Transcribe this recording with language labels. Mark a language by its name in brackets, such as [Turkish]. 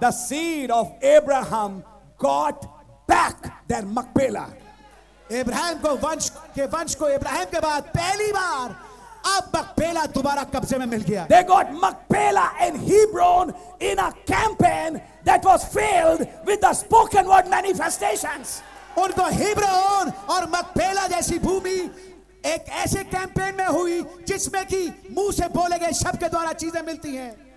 [English] the seed of Abraham got back their Machpelah. [Hindi] Abraham को वंश को Abraham के बाद पहली बार अब मक्पेला दोबारा कब्जे में मिल गया. [English] They got Machpelah in Hebron in a campaign that was filled with the spoken word manifestations. [Hindi] उनको हीब्रोन और मक्पेला जैसी भूमि एक ऐसे कैंपेन में हुई जिसमें कि मुंह से बोले गए शब्द के द्वारा चीजें मिलती हैं.